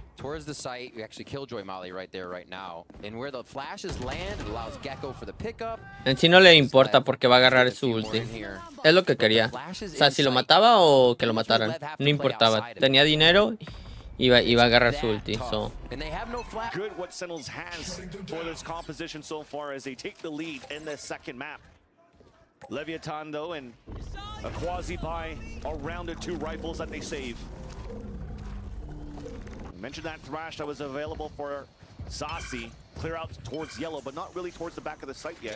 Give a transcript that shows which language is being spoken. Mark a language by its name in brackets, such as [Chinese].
[English] Towards the site, we actually kill Joy Molly right there right now. And where the flashes land, it allows Gecko for the pickup. [Spanish] En sí no le importa porque va a agarrar su ulti. Es lo que quería. O sea, si lo mataba o que lo mataran. No importaba. Tenía dinero y iba a agarrar su ulti. [English] So. And they have no flash. Good what Sentinels has for this composition so far as they take the lead in the second map. Leviathan, though, and a quasi-buy around the two rifles that they save. Mentioned that thrash that was available for Saucy. Clear out towards yellow, but not really towards the back of the site yet.